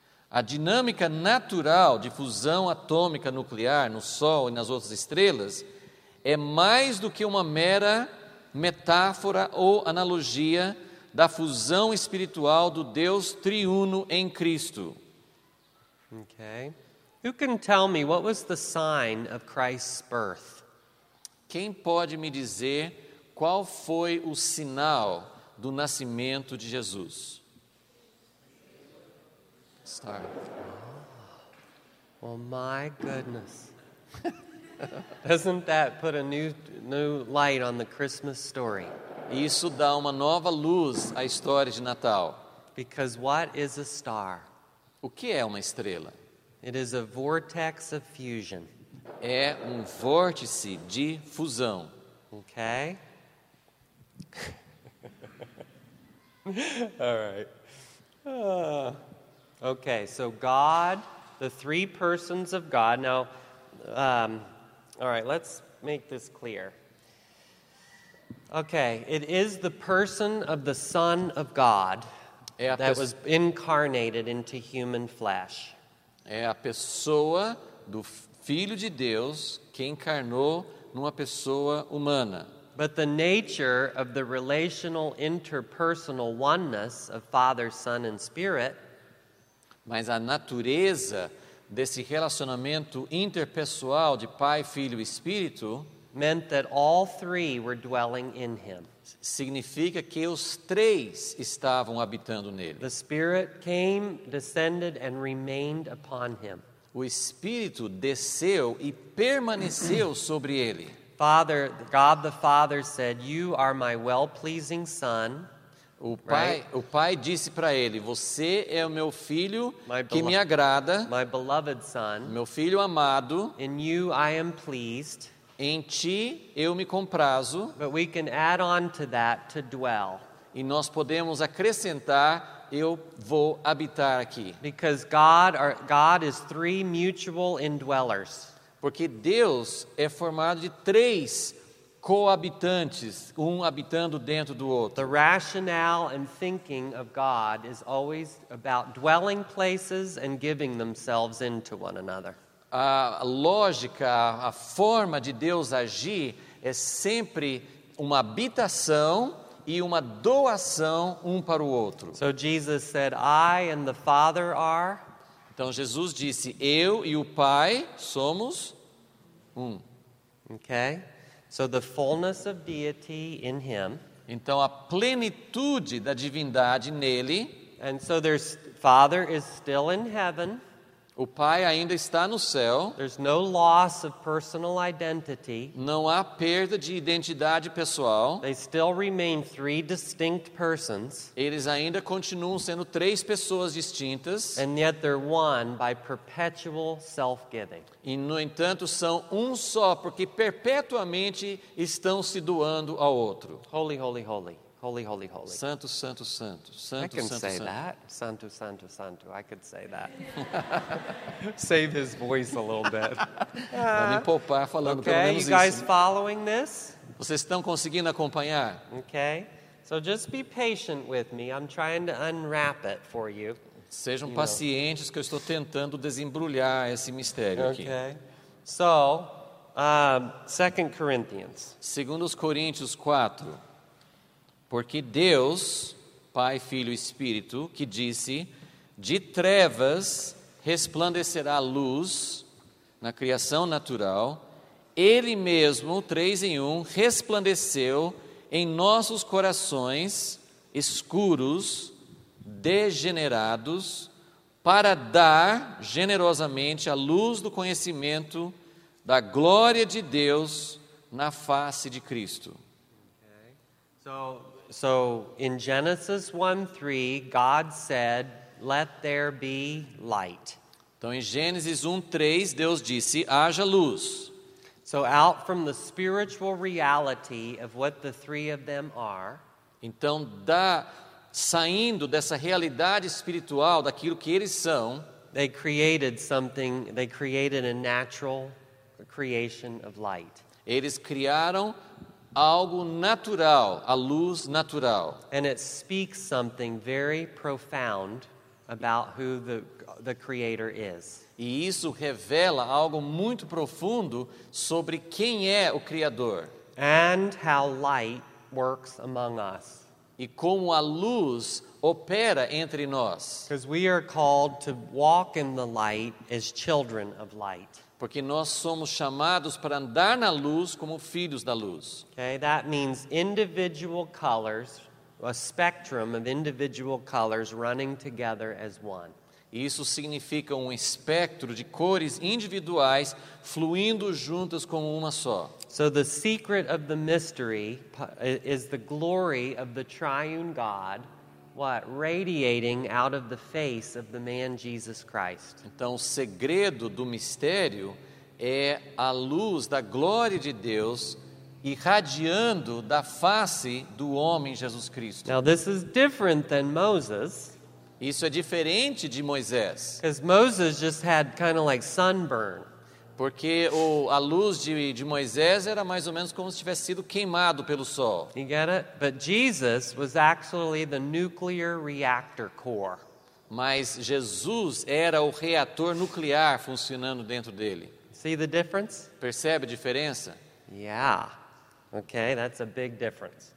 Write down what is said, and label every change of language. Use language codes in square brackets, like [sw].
[pt] A dinâmica natural de fusão atômica nuclear no Sol e nas outras estrelas é mais do que uma mera metáfora ou analogia da fusão espiritual do Deus triuno em Cristo. [en] Okay. Who can tell me what was the sign of Christ's birth? [pt] Quem pode me dizer qual foi o sinal do nascimento de Jesus? [en] Star. Well, my goodness. Doesn't that put a new light on the Christmas story? [pt] Isso dá uma nova luz à história de Natal. [en] Because what is a star? [pt] O que é uma estrela? [en] It is a vortex of fusion. [pt] É um vórtice de fusão. [en] Okay? All right. Okay, so God, the three persons of God. Now, all right, let's make this clear. Okay, it is the person of the Son of God. that was incarnated into human flesh. [pt] É a pessoa do Filho de Deus que encarnou numa pessoa humana. [en] But the nature of the relational interpersonal oneness of Father, Son, and Spirit. [pt] Mas a natureza desse relacionamento interpessoal de Pai, Filho e Espírito [en] meant that all three were dwelling in him. [pt] Significa que os três estavam habitando nele. [en] The Spirit came, descended, and remained upon him. [pt] O Espírito desceu e permaneceu sobre ele. [en] Father, God the Father said, "You are my well-pleasing Son." [pt] O pai disse para ele, você é o meu filho que me agrada, [en] my beloved son, [pt] meu filho amado, [en] in you I am pleased, [pt] em ti eu me comprazo. [en] But we can add on to that to dwell. [pt] E nós podemos acrescentar, eu vou habitar aqui. [en] Because God is three mutual indwellers. [pt] Porque Deus é formado de três co-habitantes, um habitando dentro do outro. [en] The rationale and thinking of God is always about dwelling places and giving themselves into one another. [pt] A lógica, a forma de Deus agir é sempre uma habitação e uma doação um para o outro. [en] So Jesus said, I and the Father are. [pt] Então Jesus disse, eu e o Pai somos um. [en] Okay? So the fullness of deity in him. [pt] Então a plenitude da divindade nele. [en] And so there's Father is still in heaven. [pt] O Pai ainda está no céu. [en] There's no loss of personal identity. [pt] Não há perda de identidade pessoal. [en] They still remain three distinct persons. [pt] Eles ainda continuam sendo três pessoas distintas. [en] And yet they're one by perpetual self-giving. [pt] E no entanto são um só porque perpetuamente estão se doando ao outro. [en] Holy, holy, holy. Holy, holy, holy. [pt] Santo, santo, santo. Santo, [en] I can [pt] santo, [en] say [pt] santo. [en] That. [pt] Santo, santo, santo. [en] I could say that. Save his voice a little bit. [pt] Me poupar falando [en] okay, [pt] pelo menos isso. [en] You guys following this? [pt] Vocês estão conseguindo acompanhar? [en] Okay. So just be patient with me. I'm trying to unwrap it for you. [pt] Sejam [en] you [pt] pacientes [en] know. [pt] Que eu estou tentando desembrulhar esse mistério [en] okay. [pt] aqui. [en] Okay. So, 2 Corinthians. [pt] Segundos Coríntios 4. Porque Deus, Pai, Filho e Espírito, que disse, de trevas resplandecerá luz na criação natural, Ele mesmo, três em um, resplandeceu em nossos corações escuros, degenerados, para dar generosamente a luz do conhecimento da glória de Deus na face de Cristo. [en] Okay. So in Genesis 1:3, God said, "Let there be light." [pt] Então em Gênesis 1:3, Deus disse, "Haja luz." [en] So out from the spiritual reality of what the three of them are, [pt] então da saindo dessa realidade espiritual daquilo que eles são, [en] they created something, they created a natural creation of light. [pt] Eles criaram algo natural, a luz natural. [en] And it speaks something very profound about who the Creator is. [pt] E isso revela algo muito profundo sobre quem é o Criador. [en] And how light works among us. [pt] E como a luz opera entre nós. [en] Because we are called to walk in the light as children of light. [pt] Porque nós somos chamados para andar na luz como filhos da luz. [en] Okay, that means individual colors, a spectrum of individual colors running together as one. [pt] Isso significa um espectro de cores individuais fluindo juntas como uma só. [en] So the secret of the mystery is the glory of the triune God. What? Radiating out of the face of the man Jesus Christ. [pt] Então, o segredo do mistério é a luz da glória de Deus irradiando da face do homem Jesus Cristo. [en] Now, this is different than Moses. [pt] Isso é diferente de Moisés. [en] Because Moses just had kind of like sunburn. [pt] Porque a luz de Moisés era mais ou menos como se tivesse sido queimado pelo sol. [en] You get it? But Jesus was actually the nuclear reactor core. [pt] Mas Jesus era o reator nuclear funcionando dentro dele. [en] See the difference? [pt] Percebe a diferença? [en] Yeah. Okay, that's a big difference.